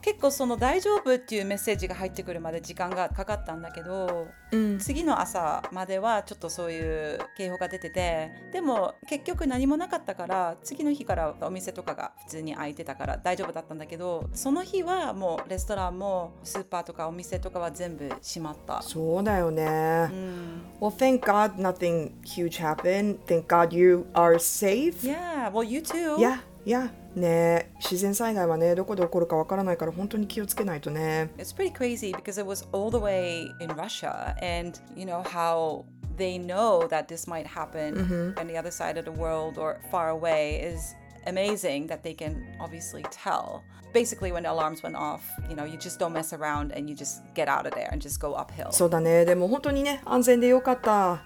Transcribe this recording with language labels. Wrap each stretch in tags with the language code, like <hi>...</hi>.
<ja>結構その大丈夫っていうメッセージが入ってくるまで時間がかかったんだけど、うん、次の朝まではちょっとそういう警報が出てて、でも結局何もなかったから次の日からお店とかが普通に開いてたから大丈夫だったんだけど、その日はもうレストランもスーパーとかお店とかは全部閉まった。そうだよね、うん、</ja> <en>Well, thank God nothing huge happened. Thank God you are safe. Yeah, well, you too. Yeah, yeah.</en> <ja>ね、自然災害はね、どこで起こるかわからないから本当に気をつけないとね。</ja> <en>It's pretty crazy because it was all the way in Russia and you know how they know that this might happen on the other side of the world or far away is amazing that they can obviously tell. Basically when the alarms went off, you know, you just don't mess around and you just get out of there and just go uphill.</en> <ja>そうだね、でも本当にね、安全でよかった。</ja>